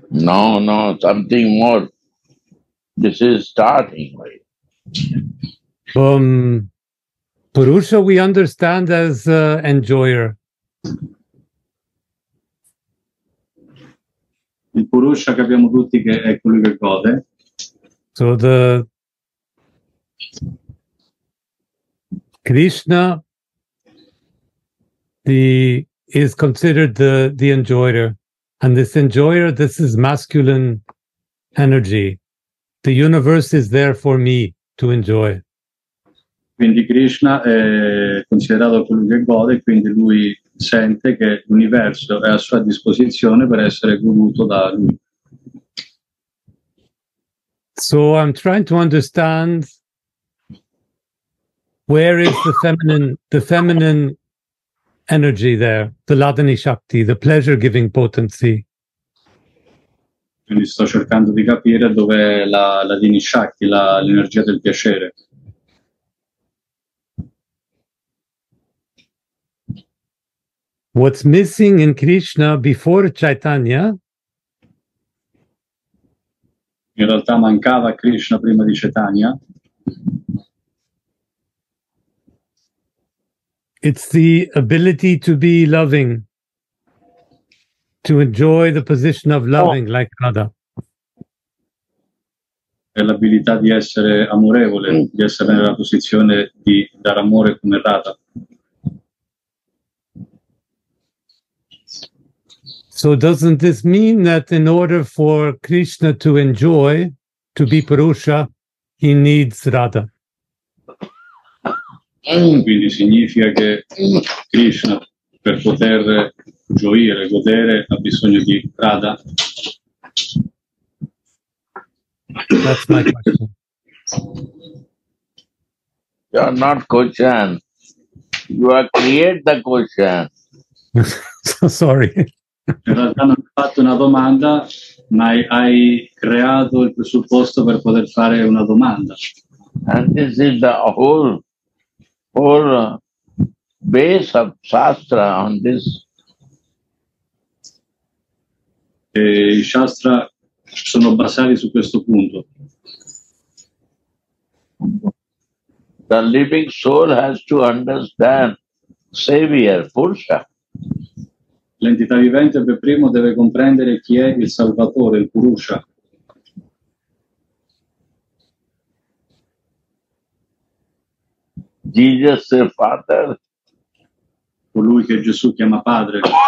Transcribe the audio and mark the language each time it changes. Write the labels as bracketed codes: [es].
[en] No, something more. This is starting. Purusha we understand as enjoyer. [it] Il Purusha che abbiamo tutti che è colui che gode. [en] So the Krishna is considered the enjoyer, and this enjoyer, this is masculine energy. The universe is there for me to enjoy. [it] Quindi Krishna è considerato colui che gode, quindi lui sente che l'universo è a sua disposizione per essere goduto da lui. [en] So I'm trying to understand where is the feminine energy there, the Ladini Shakti, the pleasure giving potency. [it] Quindi sto cercando di capire dov'è la Ladini Shakti, l'energia del piacere. [en] What's missing in Krishna before Chaitanya? [it] In realtà mancava Krishna prima di Chaitanya. [en] It's the ability to be loving, to enjoy the position of loving like Radha. [it] È l'abilità di essere amorevole, di essere nella posizione di dare amore come Radha. [en] So doesn't this mean that in order for Krishna to enjoy, to be Purusha, he needs Radha? [it] Quindi significa che Krishna, per poter gioire, godere, ha bisogno di Radha? [en] That's my question. You are not Koshan. You are create the Koshan. Sorry. [it] In realtà non hai fatto una domanda, ma hai creato il presupposto per poter fare una domanda. [en] And this is the whole base of Shastra on this. [it] E i Shastra sono basati su questo punto. [en] The living soul has to understand Savior, Purusha. [it] L'entità vivente per primo deve comprendere chi è il Salvatore, il Purusha. [en] Jesus the Father. [it] Colui che Gesù chiama padre.